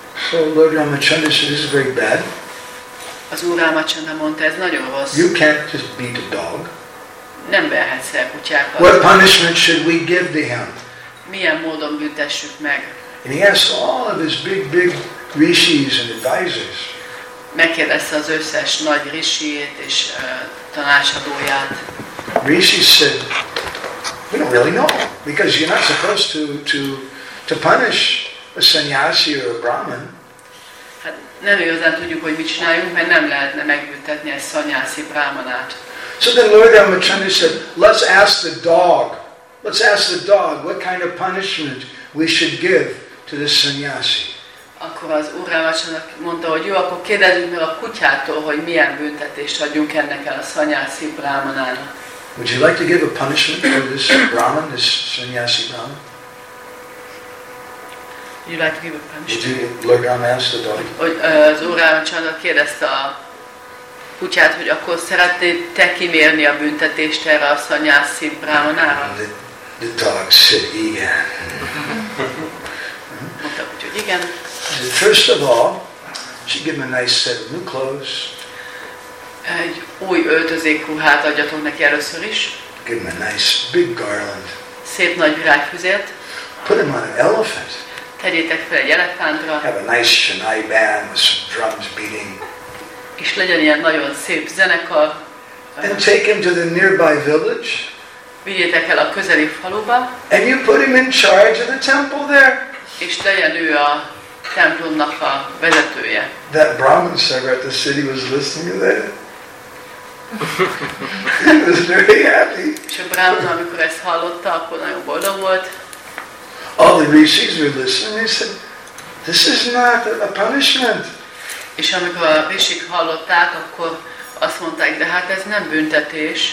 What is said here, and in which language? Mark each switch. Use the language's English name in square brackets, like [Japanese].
[English] So Lord Ramachandra said, this is very bad. [Hungarian] Az Úr Ramachandra mondta, ez nagyon rossz. [English] You can't just beat a dog. [Hungarian] Nem verhetsz el kutyákat. [English] What punishment should we give to him? [Hungarian] Milyen módon büntessük meg? [English] And he asked all of his big rishis and advisors. [Hungarian] Megkérdezte az összes nagy rishiét és tanácsadóját. [English] Rishi said, we don't really know, because you're not supposed to punish a sannyasi or a brahmin. [Hungarian] Hát nem igazán tudjuk, hogy mit csináljunk, mert nem lehetne megbüntetni egy sannyasi brahmanát. [English] So then Lord Ramachandra said, let's ask the dog. Let's ask the dog what kind of punishment we should give to this sannyasi. [Hungarian] Akkor az Úr Ramachandra mondta, hogy jó, akkor kérdezzük meg a kutyától, hogy milyen büntetést adjunk ennek el a sannyasi brahmanának. [English] Would you like to give a punishment for this brahman, this sannyasi brahman? Would you like to give a punishment? Lord Ram asked the dog. [Hungarian] Hogy az Úr Ramachandra kérdezte a kutyát, hogy akkor szeretnéd te kimérni a büntetést erre a sannyasi brahmanára? [English] The dog said, [Hungarian] igen. Mondta, hogy igen. [English] First of all, she gave him a nice set of new clothes. [Hungarian] Egy új öltözékruhát adjatok neki először is. [English] Give him a nice big garland. [Hungarian] Szép nagy virágfüzért. [English] Put him on an elephant. [Hungarian] Tegyétek fel egy elefántra. [English] Have a nice shanai band with some drums beating. [Hungarian] És legyen ilyen nagyon szép zenekar. [English] And take him to the nearby village. [Hungarian] Vigyétek el a közeli faluba. [English] And you put him in charge of the temple there. [Hungarian] És legyen ő a templomnak a vezetője. [English] That Brahmin Sarvartha Siddha was listening to that. He was very happy. [Hungarian] És a Brahmin, amikor ezt hallotta, akkor nagyon boldog volt. [English] All the rishis were listening. They said, this is not a punishment. [Hungarian] És amikor a rishik hallották, akkor azt mondták, de hát ez nem büntetés.